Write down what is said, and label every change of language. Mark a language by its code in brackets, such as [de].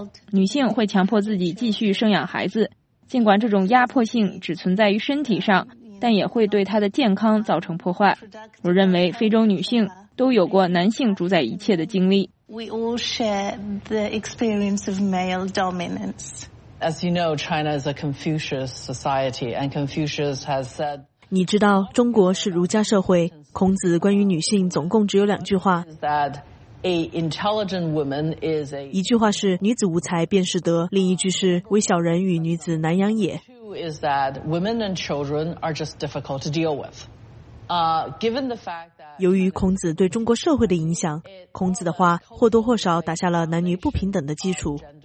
[zh] 女性会强迫自己继续生养孩子，尽管这种压迫性只存在于身体上，但也会对她的健康造成破坏。我认为非洲女性都有过男性主宰一切的经历。 [en] We all share the experience of male dominance. As you know, China is a Confucius society, and Confucius has said. [zh] 你知道中国是儒家社会，孔子关于女性总共只有两句话。 [en] That a intelligent woman is a. [zh] 一句话是女子无才便是德，另一句是微小人与女子难养也。 [en] Two is that women and children are just difficult to deal with. Given the fact that [zh] 由于孔子对中国社会的影响，孔子的话或多或少打下了男女不平等的基础。